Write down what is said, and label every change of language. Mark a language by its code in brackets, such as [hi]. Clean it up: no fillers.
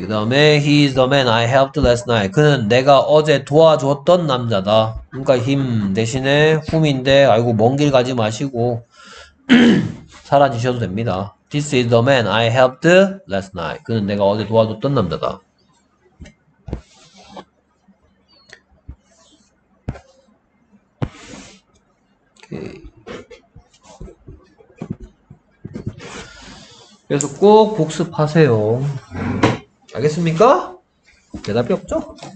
[ko] 그 다음에 [en] He is the man I helped last night. [ko] 그는 내가 어제 도와줬던 남자다. 그러니까 him 대신에 whom인데 아이고 먼 길 가지 마시고 사라지셔도 됩니다. [en] This is the man I helped last night. [ko] 그는 내가 어제 도와줬던 남자다. 오케이. 그래서 꼭 복습하세요. 알겠습니까? 대답이 없죠?